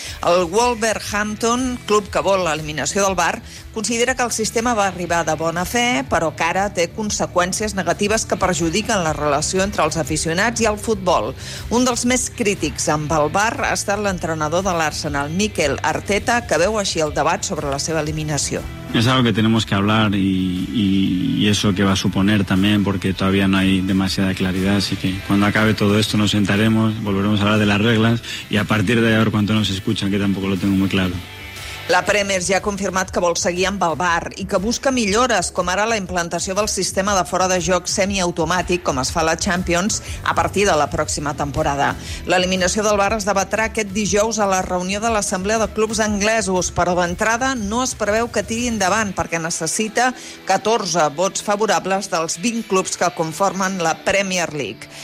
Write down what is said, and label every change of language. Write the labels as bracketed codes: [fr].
[ca] El Wolverhampton, club que vol l'eliminació del VAR, considera que el sistema va arribar de bona fe, però que ara té conseqüències negatives que perjudiquen la relació entre els aficionats i el futbol. Un dels més crítics amb el VAR ha estat l'entrenador de l'Arsenal, Mikel Arteta, que veu així el debat sobre la seva eliminació. [es] Es algo que tenemos que hablar y eso que va a suponer también, porque todavía no hay demasiada claridad, así que cuando acabe todo esto nos sentaremos, volveremos a hablar de las reglas y a partir de ahí a ver cuánto nos escuchan, que tampoco lo tengo muy claro. [ca] La Premier ja ha confirmat que vol seguir amb el VAR i que busca millores, com ara la implantació del sistema de fora de joc semiautomàtic, com es fa a la Champions, a partir de la pròxima temporada. L'eliminació del VAR es debatrà aquest dijous a la reunió de l'Assemblea de Clubs Anglesos, però d'entrada no es preveu que tiri endavant, perquè necessita 14 vots favorables dels 20 clubs que conformen la Premier League.